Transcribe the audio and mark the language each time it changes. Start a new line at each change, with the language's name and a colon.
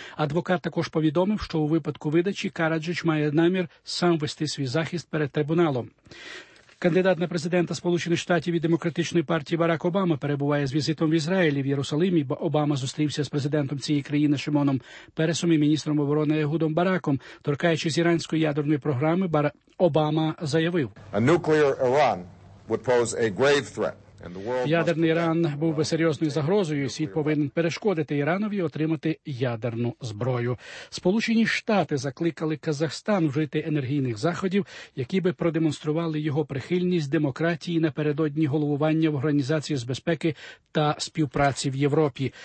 Ukrainian: Адвокат також повідомив, що у випадку видачі Караджич має намір сам вести свій захист перед трибуналом. Кандидат на президента Сполучених Штатів від Демократичної партії Барак Обама перебуває з візитом в Ізраїлі в Єрусалимі. Обама зустрівся з президентом цієї країни Шимоном Пересом і міністром оборони Егудом Бараком. Торкаючись іранської ядерної програми, Обама заявив:
English: "A nuclear Iran would pose a grave threat.
Ukrainian: Ядерний Іран був би серйозною загрозою, і світ повинен перешкодити Іранові отримати ядерну зброю. Сполучені Штати закликали Казахстан вжити енергійних заходів, які би продемонстрували його прихильність демократії напередодні головування в Організації з безпеки та співпраці в Європі.